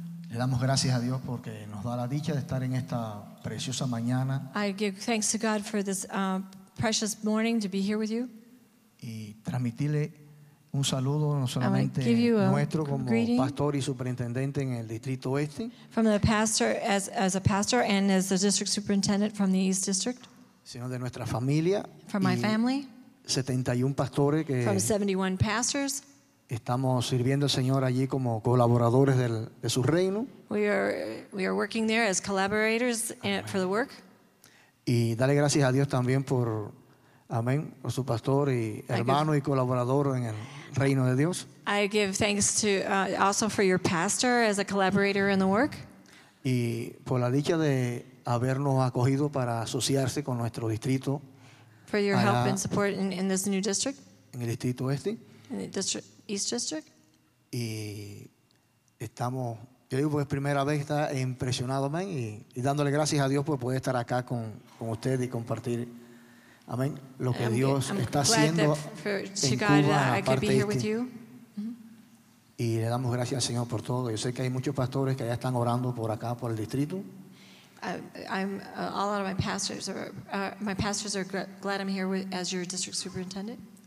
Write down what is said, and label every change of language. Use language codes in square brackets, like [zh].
[es] Le damos gracias a Dios porque nos da la dicha de estar en esta preciosa mañana. [en] I give thanks to God for this precious morning to be here with you. [es] Y transmitirle un saludo no solamente nuestro como pastor y superintendente en el distrito este. [en] From the pastor as a pastor and as the district superintendent from the East District. [es] Sino de nuestra familia. [en] From my family. [es] 71 pastores que. [en] From 71 pastors. [es] Estamos sirviendo al Señor allí como colaboradores de su reino. [en] We are working there as collaborators for the work. [es] Y dale gracias a Dios también por. Amén. Por su pastor y hermano y colaborador en el reino de Dios. [en] I give thanks to also for your pastor as a collaborator in the work. [es] Y por la dicha de habernos acogido para asociarse con nuestro distrito. [en] For your help and support in this new district. [es] En el distrito este. [en] In the district, East District. [es] Y estamos, yo digo, pues primera vez está impresionado, amén, y dándole gracias a Dios por poder estar acá con usted y compartir. Amén. Lo que Dios está haciendo en Cuba, aparte de ti. Y le damos gracias al Señor por todo. Yo sé que hay muchos pastores que ya están orando por acá, por el distrito. [en] A lot of my pastors are glad I'm here as your district superintendent.